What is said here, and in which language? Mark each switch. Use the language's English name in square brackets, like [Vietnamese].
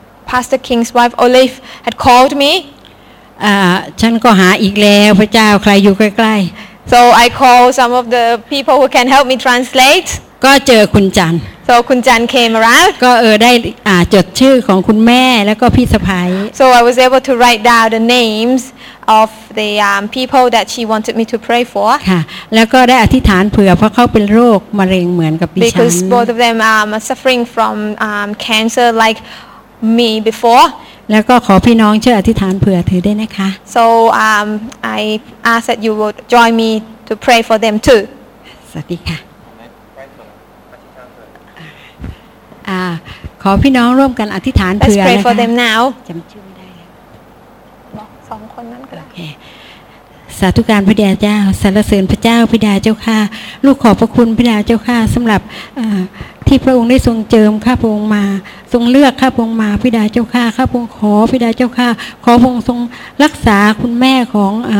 [English] Pastor King's wife Olive had called me [Thai] ฉันก็หาอีกแล้วพระเจ้าใครอยู่ใกล้ [English] ๆ So I called some of the people who can help me translate [Thai] ก็เจอคุณจันทร์ [English] So คุณจันทร์ came around [Thai] ก็ได้จดชื่อของคุณแม่แล้วก็พี่สะใภ้ [English] So I was able to write down the names of the people that she wanted me to pray for. [Thai] ค่ะแล้วก็ได้อธิษฐานเผื่อเพราะเขาเป็นโรคมะเร็งเหมือนกับดิฉัน [English] Because both of them are suffering from cancer like me before. [Thai] แล้วก็ขอพี่น้องช่วยอธิษฐานเผื่อถือได้นะคะ [English] So I ask that you would join me to pray for them too. [Thai] สวัสดีค่ะขอพี่น้องร่วมกันอธิษฐานเผื่อนะคะ [English] Let's pray for them now. [Thai] จำชื่อไม่ได้เ นาะสองคนนั้นก็ ได้สาธุการพระเดียเจ้าสรรเสริญพระเจ้าพระเดียเจ้าค่ะลูกขอพระคุณพระเดียเจ้าค่ะสำหรับที่พระองค์ได้ทรงเจิมข้าพระองค์มาทรงเลือกข้าพระองค์มาพระเดียเจ้าค่ะข้าพระองค์ขอพระเดียเจ้าค่ะขอพระองค์ทรงรักษาคุณแม่ของ